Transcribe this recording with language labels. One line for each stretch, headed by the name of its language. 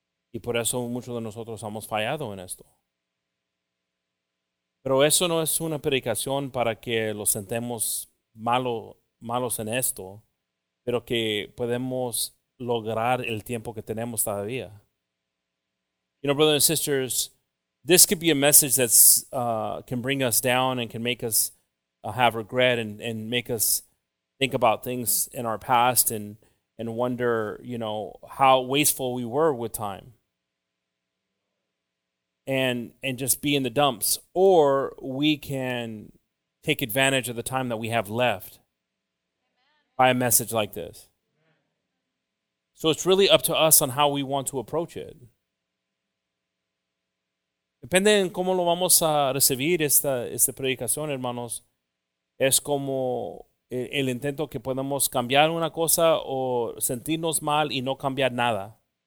Spanish: Y por eso muchos de nosotros hemos fallado en esto. Pero eso no es una predicación para que lo sentemos malos en esto, pero que podemos lograr el tiempo que tenemos todavía.
English: You know, brothers and sisters, this could be a message that can bring us down and can make us have regret and make us think about things in our past and wonder, you know, how wasteful we were with time. And just be in the dumps. Or we can take advantage of the time that we have left by a message like this. So it's really up to us on how we want to approach it.
Spanish: Depende en cómo lo vamos a recibir esta predicación, hermanos. Es como el intento que podemos cambiar una cosa o sentirnos mal y no cambiar nada.